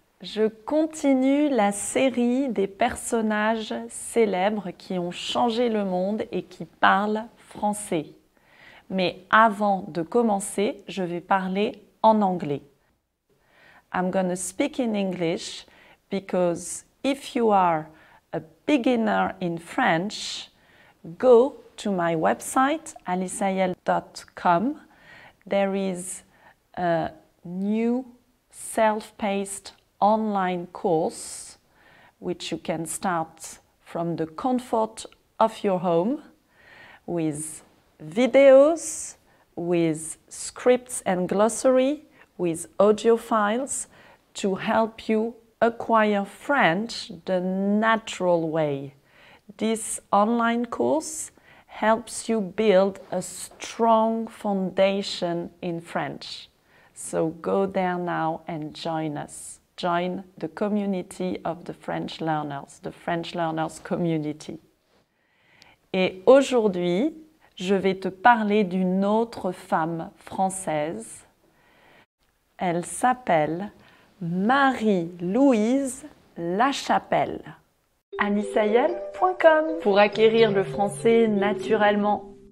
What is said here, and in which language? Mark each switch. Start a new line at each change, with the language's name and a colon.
French: Je continue la série des personnages célèbres qui ont changé le monde et qui parlent français. Mais avant de commencer, je vais parler en anglais.
English: I'm gonna speak in English because if you are a beginner in French, go to my website alissayel.com. There is a new self-paced online course, which you can start from the comfort of your home, with videos, with scripts and glossary, with audio files to help you acquire French the natural way. This online course helps you build a strong foundation in French. So go there now and join us. Join the community of the French learners, the French learners community.
French: Et aujourd'hui, je vais te parler d'une autre femme française. Elle s'appelle Marie-Louise Lachapelle. Alissayel.com pour acquérir le français naturellement.